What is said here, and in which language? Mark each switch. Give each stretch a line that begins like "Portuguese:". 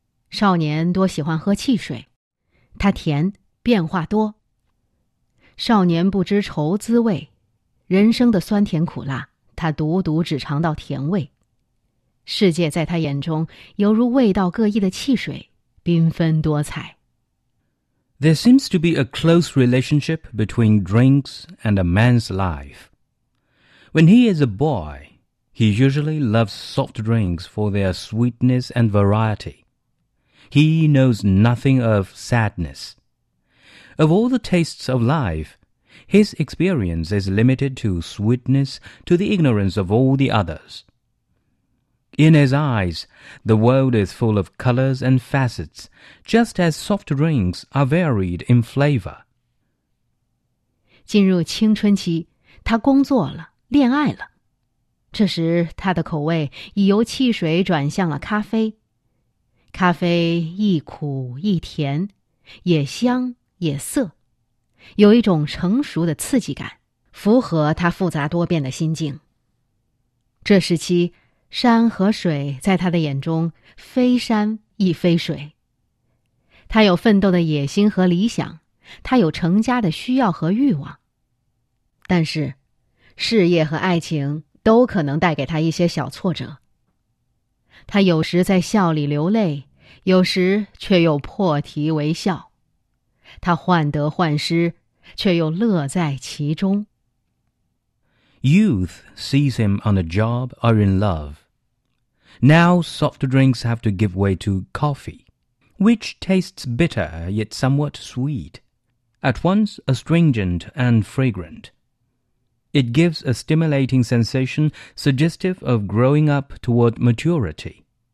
Chinese: 少年多喜欢喝汽水，它甜，变化多。少年不知愁滋味，人生的酸甜苦辣，他独独只尝到甜味。世界在他眼中犹如味道各异的汽水，缤纷多彩。
English: There seems to be a close relationship between drinks and a man's life. When he is a boy, he usually loves soft drinks for their sweetness and variety. He knows nothing of sadness. Of all the tastes of life, his experience is limited to sweetness, to the ignorance of all the others. In his eyes, the world is full of colors and facets, just as soft drinks are varied in flavor.
Chinese: 进入青春期，他工作了，恋爱了。这时，他的口味已由汽水转向了咖啡。咖啡亦苦亦甜，也香。也色，有一种成熟的刺激感，符合他复杂多变的心境。这时期，山和水在他的眼中非山亦非水。他有奋斗的野心和理想，他有成家的需要和欲望。但是，事业和爱情都可能带给他一些小挫折。他有时在笑里流泪，有时却又破涕为笑。他患得患失，却又乐在其中。
English: Youth sees him on a job or in love. Now soft drinks have to give way to coffee, which tastes bitter yet somewhat sweet, at once astringent and fragrant. It gives a stimulating sensation suggestive of growing up toward maturity.